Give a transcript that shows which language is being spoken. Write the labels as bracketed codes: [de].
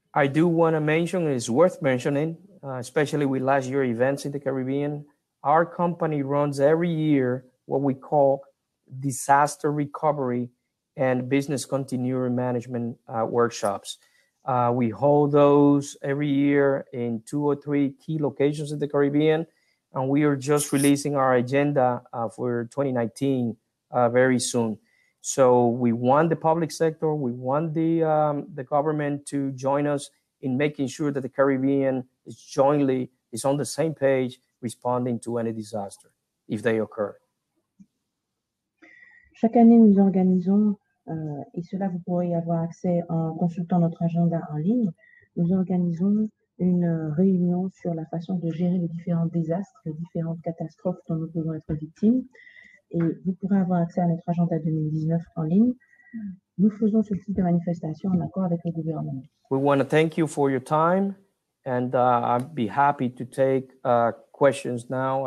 [en] I do want to mention, and it's worth mentioning, especially with last year events in the Caribbean, our company runs every year what we call disaster recovery and business continuity management workshops. We hold those every year in two or three key locations in the Caribbean, and we are just releasing our agenda for 2019 very soon. So we want the public sector, we want the government to join us in making sure that the Caribbean is jointly, is on the same page, responding to any disaster, if they occur. [fr] Chaque année, nous organisons, et cela vous pourrez y avoir accès en consultant notre agenda en ligne, nous organisons une réunion sur la façon de gérer les différents désastres, les différentes catastrophes dont nous pouvons être victimes. Et vous pourrez avoir accès à notre agenda 2019 en ligne. Nous faisons ce type de manifestation en accord avec le gouvernement. [en] We want to thank you for your time, and I'd be happy to take questions now.